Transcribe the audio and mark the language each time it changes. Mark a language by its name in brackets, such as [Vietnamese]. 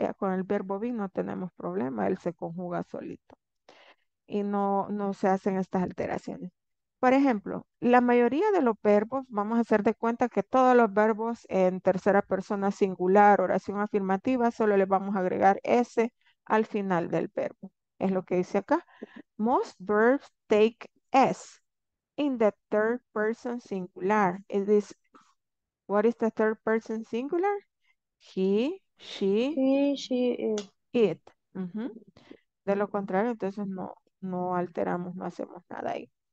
[Spanish] Ya con el verbo be no tenemos problema, él se conjuga solito. Y no se hacen estas alteraciones. Por ejemplo, la mayoría de los verbos, vamos a hacer de cuenta que todos los verbos en tercera persona singular, oración afirmativa, solo le vamos a agregar S al final del verbo. Es lo que dice acá. [English] Most verbs take S in the third person singular. It is, what is the third person singular? He, she, it. [Spanish] De lo contrario, entonces no alteramos, no hacemos nada ahí.